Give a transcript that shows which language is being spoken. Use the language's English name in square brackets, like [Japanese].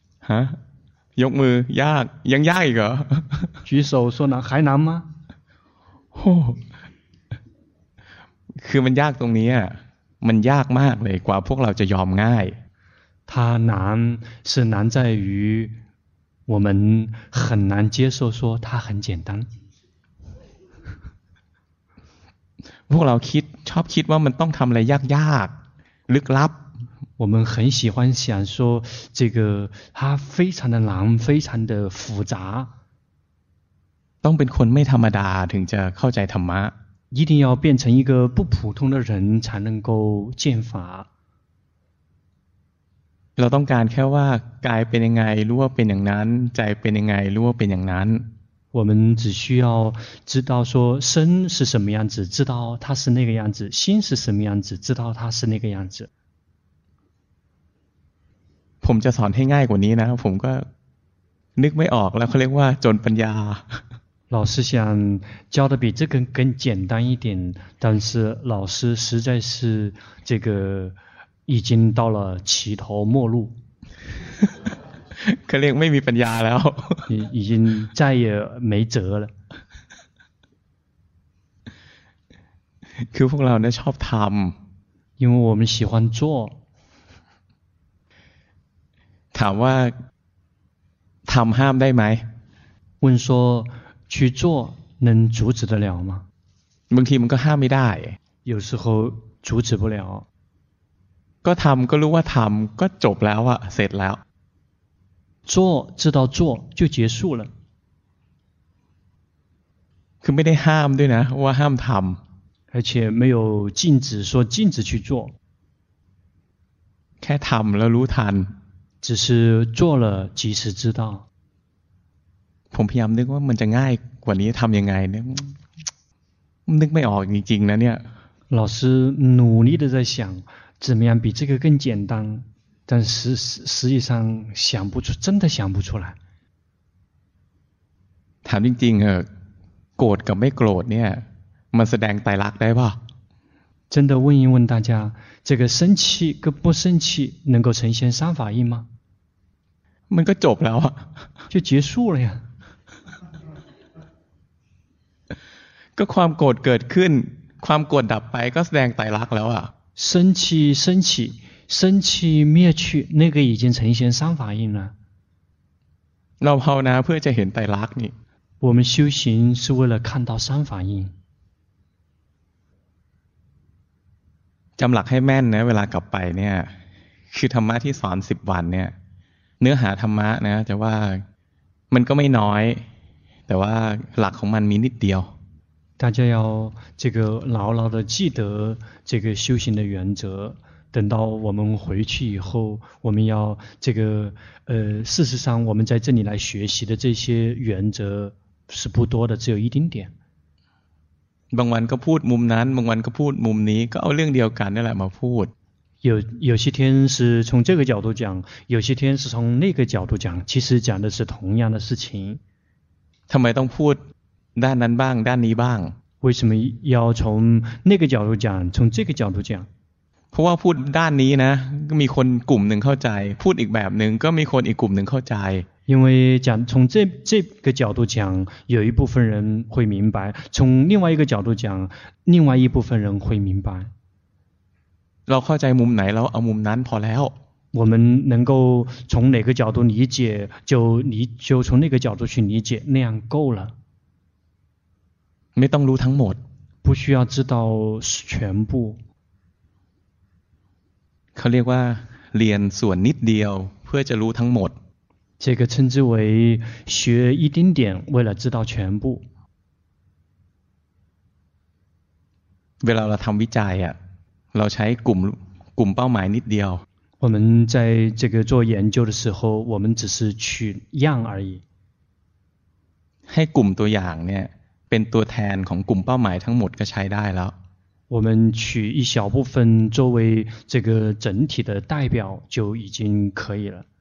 [Thai] ฮะยกมือยากยังยากอีกเหรอ [Chinese] 举手说难还难吗 [Thai] โอ้คือมันยากตรงนี้อ่ะมันยากมากเลยกว่าพวกเราจะยอมง่าย [Chinese] 它难是难在于我们很难接受说它很简单 [Thai] พวกเราคิดชอบคิดว่ามันต้องทำอะไรยากๆลึกลับ [Chinese] 我们很喜欢想说这个它非常的难非常的复杂 [Thai] ต้องเป็นคนไม่ธรรมดาถึงจะเข้าใจธรรมะ [Chinese] 一定要变成一个不普通的人才能够见法 [Thai] เราต้องการแค่ว่ากายเป็นยังไงรู้ว่าเป็นอย่างนั้นใจเป็นยังไงรู้ว่าเป็นอย่างนั้น [Chinese] 我们只需要知道说身是什么样子知道它是那个样子心是什么样子知道它是那个样子 [Thai] ผมจะสอนให้ง่ายกว่านี้นะผมก็นึกไม่ออกแล้วเขาเรียกว่าจนปัญญา [Chinese] 老师想教的比这个更简单一点但是老师实在是这个已经到了起头末路 [Thai] เขาเรียกไม่มีปัญญาแล้ว [Chinese] 已经再也没辙了 [Thai] คือพวกเราเนี่ยชอบทำ [Chinese] 因为我们喜欢做 [Thai] ถามว่าทำห้ามได้ไหม [Chinese] 问说去做能阻止得了吗 [Thai] บางทีมันก็ห้ามไม่ได้ [Chinese] 有时候阻止不了 [Thai] ก็ทำก็รู้ว่าทำก็จบแล้วอะเสร็จแล้ว [Chinese] 做知道做就结束了 [Thai] คือไม่ได้ห้ามด้วยนะว่าห้ามทำ [Chinese] 而且没有禁止说禁止去做 [Thai] แค่ทำแล้วรู้ทัน [Chinese] 只是做了及时知道 [Thai] ผมพยายามนึกว่ามันจะง่ายกว่านี้ทำยังไงเนี่ยนึกไม่ออกจริงๆนะเนี่ย [Chinese] 老师努力的在想怎么样比这个更简单但实际上想不出，真的想不出来。 [Thai] ถามจริงๆโกรธกับไม่โกรธเนี่ยมันแสดงไตรลักษณ์ได้ป่ะ [Chinese] 真的问一问大家，这个生气跟不生气能够呈现三法印吗？ [Thai] มันก็จบแล้วอ่ะ [Chinese] 就结束了呀。 [Thai] ก็ความโกรธเกิดขึ้นความโกรธดับไปก็แสดงไตรลักษณ์แล้วอ่ะ [Chinese] 生气灭去，那个已经呈现三法印了。 [Thai] เราภาวนาเพื่อจะเห็นไตรลักษณ์นี่ [Chinese] 我们修行是为了看到三法印。 [Thai] จำหลักให้แม่นนะเวลากลับไปเนี่ยคือธรรมะที่สอน10วันเนี่ยเนื้อหาธรรมะนะจะว่ามันก็ไม่น้อยแต่ว่าหลักของมันมีนิดเดียว [Chinese] 大家要这个牢牢的记得这个修行的原则，等到我们回去以后，我们要这个事实上我们在这里来学习的这些原则是不多的，只有一丁点。 [Thai] บางวันก็พูดมุมนั้นบางวันก็พูดมุมนี้ก็เอาเรื่องเดียวกันนี่แหละมาพูด [Chinese] 有些天是从这个角度讲，有些天是从那个角度讲，其实讲的是同样的事情。 [Thai] ทำไมต้องพูดด้านนั้นบ้างด้านนี้บ้าง [Chinese] 为什么要从那个角度讲从这个角度讲 [Thai] เพราะว่าพูดด้านนี้นะก็มีคนกลุ่มหนึ่งเข้าใจพูดอีกแบบหนึ่งก็มีคนอีกกลุ่มหนึ่งเข้าใจ [Chinese] 因为讲从这个角度讲，有一部分人会明白；从另外一个角度讲，另外一部分人会明白。 [Thai] เราเข้าใจมุมไหนเราเอามุมนั้นพอแล้ว。 [Chinese] 我们能够从哪个角度理解，就从那个角度去理解，那样够了。 [Thai] ไม่ต้องรู้ทั้งหมด。 [Chinese] 不需要知道全部。 [Thai] เขาเรียกว่าเรียนส่วนนิดเดียวเพื่อจะรู้ทั้งหมด。 [Chinese] 这个称之为学一丁点，为了知道全部。 [Thai] เวลาเราทำวิจัยอ่ะ，เราใช้กลุ่มเป้าหมายนิดเดียว。 [Chinese] 我们在这个做研究的时候，我们只是取样而已。 [Thai] ให้กลุ่มตัวอย่างเนี่ย，เป็นตัวแทนของกลุ่มเป้าหมายทั้งหมดก็ใช้ได้แล้ว。 [Chinese] 我们取一小部分作为这个整体的代表就已经可以了。